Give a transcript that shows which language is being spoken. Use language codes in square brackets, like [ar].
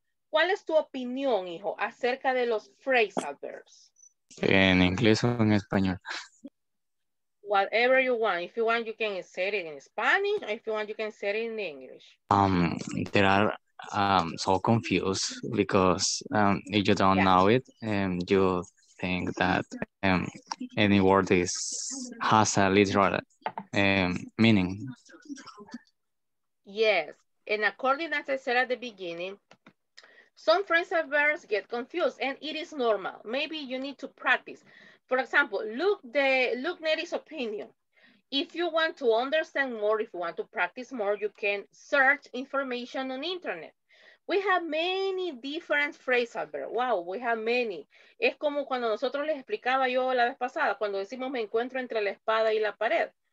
[es] ¿Cuál es tu opinión, hijo, acerca de los phrasal verbs? ¿En inglés o en español? [en] Whatever you want. If you want, you can say it in Spanish. If you want, you can say it in English. There are so confused because if you don't know it, you think that any word has a literal meaning. Yes. And according as I said at the beginning, some phrasal verbs get confused and it is normal. Maybe you need to practice. For example, look Neri's opinion. If you want to understand more, if you want to practice more, you can search information on internet. We have many different phrasal verbs. Wow, we have many. [es] Es como cuando nosotros les explicaba yo la vez pasada, cuando decimos me encuentro entre la espada y la pared.